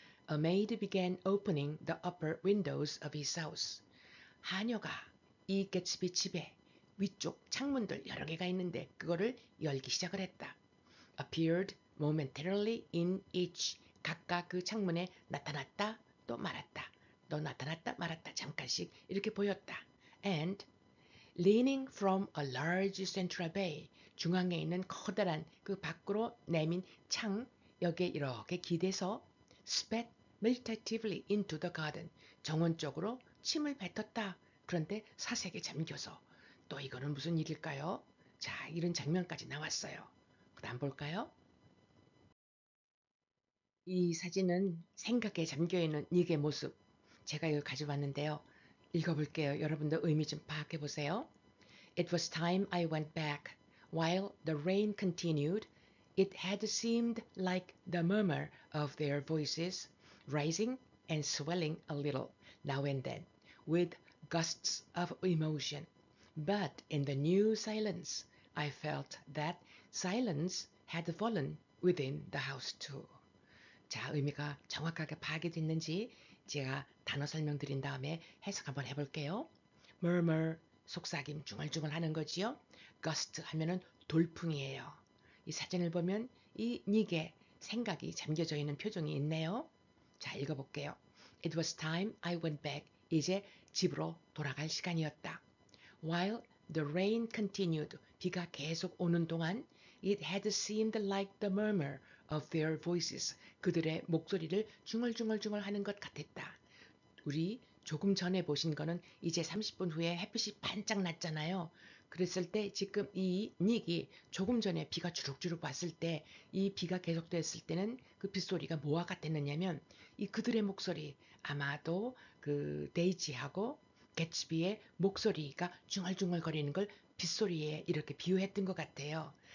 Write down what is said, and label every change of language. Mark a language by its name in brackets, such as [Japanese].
[English] A maid began opening the upper windows of his house. [Korean] 하녀가 이 Gatsby 집에 위쪽 창문들 여러 개가 있는데 그거를 열기 시작을 했다. [English] appeared momentarily in each. [Korean] 각각 그 창문에 나타났다 또 말았다. 또 나타났다 말았다 잠깐씩 이렇게 보였다. [English] And leaning from a large central bay, [Korean] 중앙에 있는 커다란 그 밖으로 내민 창 여기에 이렇게 기대서 [English] spat meditatively into the garden, [Korean] 정원 쪽으로 침을 뱉었다. 그런데 사색에 잠겨서. 또 이거는 무슨 일일까요? 자, 이런 장면까지 나왔어요. 그다음 볼까요? 이 사진은 생각에 잠겨있는 닉의 모습. 제가 이걸 가져왔는데요. 읽어볼게요. 여러분도 의미 좀 파악해보세요. [English] It was time I went back. While the rain continued, it had seemed like the murmur of their voices, rising and swelling a little now and then, with gusts of emotion. But in the new silence, I felt that silence had fallen within the house too. [Korean] 자, 의미가 정확하게 파악이 됐는지 제가 단어 설명 드린 다음에 해석 한번 해볼게요. Murmur, 속삭임, 중얼중얼 하는 거지요. Gust 하면은 돌풍이에요. 이 사진을 보면 이 닉의 생각이 잠겨져 있는 표정이 있네요. 자, 읽어볼게요. [English] It was time I went back. [Korean] 이제 집으로 돌아갈 시간이었다. [English] While the rain continued, [Korean] 비가 계속 오는 동안, [English] it had seemed like the murmur of their voices. [Korean] 그들의 목소리를 중얼중얼중얼 하는 것 같았다. 우리 조금 전에 보신 거는 이제 30분 후에 햇빛이 반짝 났잖아요. 그랬을 때 지금 이 닉이 조금 전에 비가 주룩주룩 왔을 때이 비가 계속됐을 때는 그 빗소리가 뭐와 같았느냐면 이 그들의 목소리 아마도 그 데이지하고 개츠비의 목소리가 중얼중얼거리는 걸 빗소리에 이렇게 비유했던 것 같아요.